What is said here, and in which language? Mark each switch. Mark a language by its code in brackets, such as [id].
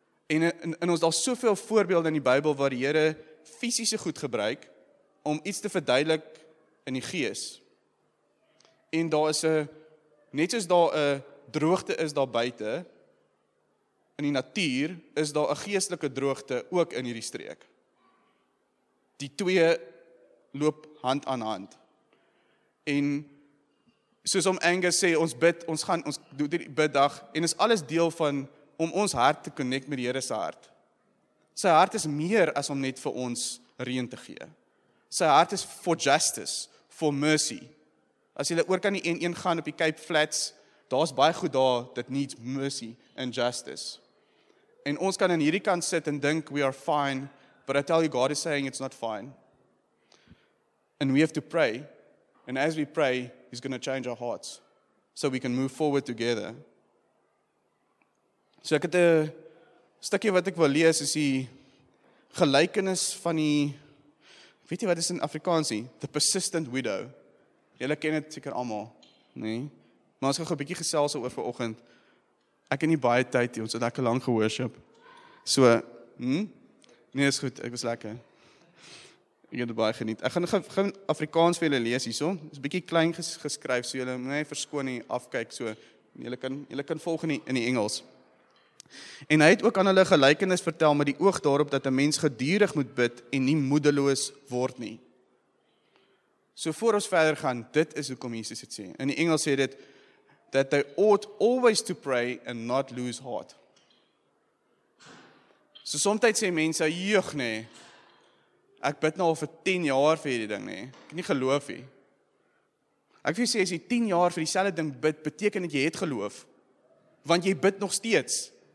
[af] En in ons daar soveel voorbeelde in die Bybel waar die Here fisiese goed gebruik om iets te verduidelik in die gees. En daar is 'n net soos daar 'n droogte is daar buite in die natuur, is daar 'n geestelike droogte ook in hierdie streek. Die twee loop hand aan hand. En soos om Angus sê, ons bid, ons doen die biddag, en is alles deel van om ons hart te connect met die Here se hart. Sy hart is meer as om net vir ons reën te gee. Sy hart is [en] for justice, for mercy. [af] As jy oor kan die 1-1 gaan op die Cape Flats, daar is baie goed daar, [en] that needs mercy and justice. [af] En ons kan aan hierdie kant sit en dink, [en] we are fine, but I tell you, God is saying it's not fine. And we have to pray. And as we pray, he's going to change our hearts. So we can move forward together. [af] So ek het 'n stukkie wat ek wil lees, is die gelykenis van die, weet jy wat is in Afrikaans nie? [en] The persistent widow. [af] Julle ken dit seker allemaal, nie? Maar ons gaan gou 'n bietjie gesels oor vanoggend. Ek het nie baie tyd hier, ons het lekker lank ge-worship. So, Nee, is goed, ek was lekker. Ek het baie geniet. Ek gaan Afrikaans vir julle lees hierso. Dit is 'n bietjie klein geskryf, so julle moet nie verskoon nie, afkyk so. Julle kan volg in die Engels. En hy het ook aan hulle gelykenis vertel met die oog daarop dat 'n mens geduldig moet bid en nie moedeloos word nie. So voor ons verder gaan, dit is hoekom Jesus dit sê. In die Engels sê dit, [en] that they ought always to pray and not lose heart. [af] So somtyds sê mense, joeg nee, ek bid nou al vir 10 jaar vir hierdie ding nee, ek het nie geloof nie. Ek wil sê, as jy 10 jaar vir dieselfde ding bid, beteken dat jy het geloof, want jy bid nog steeds.